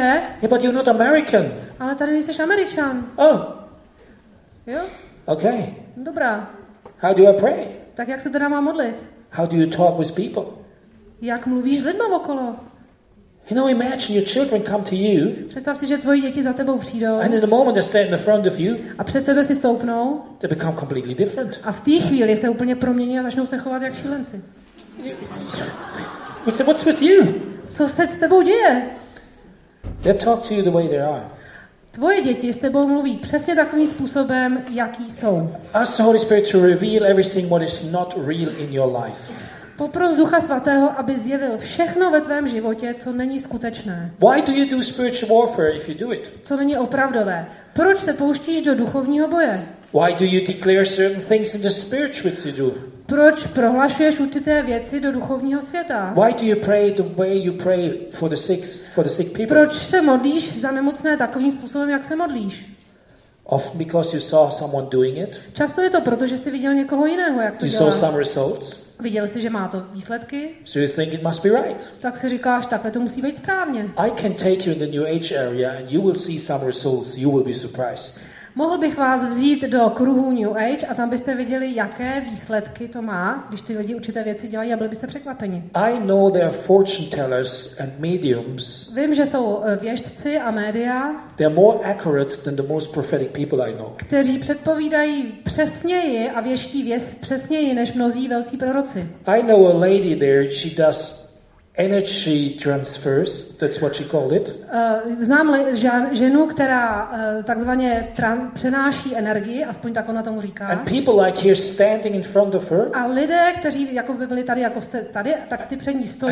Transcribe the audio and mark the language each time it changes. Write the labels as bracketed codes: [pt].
[en] Yeah, but you're not American. [cs] Ale tady nejseš Američan. [en] Oh. [cs] Jo? [en] Okay. [cs] Dobrá. [en] How do I pray? [cs] Tak jak se teda mám modlit? [en] How do you talk with people? [cs] Jak mluvíš s lidmi okolo? [en] You know, imagine your children come to you. [cs] Představ si, že tvoji děti za tebou přijdou. [en] And in the moment they stand in the front of you. [cs] A před tebe si stoupnou. [en] They become completely different. [cs] A v té chvíli se úplně promění a začnou se chovat jak šílenci. [en] What's with you? [cs] Co se s tebou děje? [en] They talk to you the way they are. [cs] Tvoje děti s tebou mluví přesně takovým způsobem, jaký jsou. [en] Ask the Holy Spirit to reveal everything what is not real in your life. [cs] Popros Ducha Svatého, aby zjevil všechno ve tvém životě, co není skutečné. [en] Why do you do spiritual warfare if you do it? [cs] Co není opravdové? Proč se pouštíš do duchovního boje? [en] Why do you declare certain things in the spirit which you do? [cs] Proč prohlašuješ určité věci do duchovního světa? [en] Why do you pray the way you pray for the sick people? [cs] Proč se modlíš za nemocné takovým způsobem, jak se modlíš? [en] Often because you saw someone doing it. [cs] Často je to proto, že jsi viděl někoho jiného, jak to [en] you [cs] dělá. [en] You saw some results. [cs] Viděl jsi, že má to výsledky? [en] So you think it must be right. [cs] Tak si říkáš, takhle to musí být správně. [en] I can take you in the New Age area and you will see some results. You will be surprised. [cs] Mohl bych vás vzít do kruhu New Age a tam byste viděli, jaké výsledky to má, když ty lidi určité věci dělají, a byli byste překvapeni. [en] I know there are fortune tellers and mediums. [cs] Vím, že jsou věštci a média. [en] They are more accurate than the most prophetic people I know. [cs] Kteří předpovídají přesněji a věští přesněji než mnozí velcí proroci. [en] I know a lady there, she does energy transfers, that's what she called it. [cs] Znám ženu, která takzvaně přenáší energii, aspoň tak ona tomu říká. [en] And people like here standing in front of her. [cs] A lidé, kteří jako by byli tady, jako jste tady, tak ty před ní stojí.